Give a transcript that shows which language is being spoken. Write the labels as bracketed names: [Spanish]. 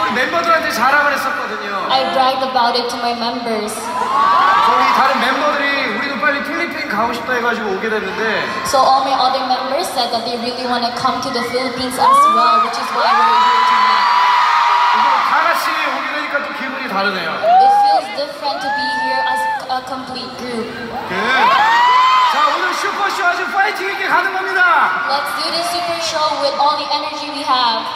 [Korean] 우리 멤버들한테 자랑을 했었거든요. [English] I bragged about it to my members. [Korean] 저희 다른 멤버들이 우리도 빨리 필리핀 가고 싶다 해가지고 오게 됐는데. [English] So all my other members said that they really want to come to the Philippines as well, which is why we're here tonight. [Korean] 다 같이 오게 되니까 또 기분이 다르네요. [English] It feels different to be here as a complete group. [Korean] 네. 슈퍼쇼 아주 파이팅 있게 가는 겁니다. [English] Let's do this super show with all the energy we have.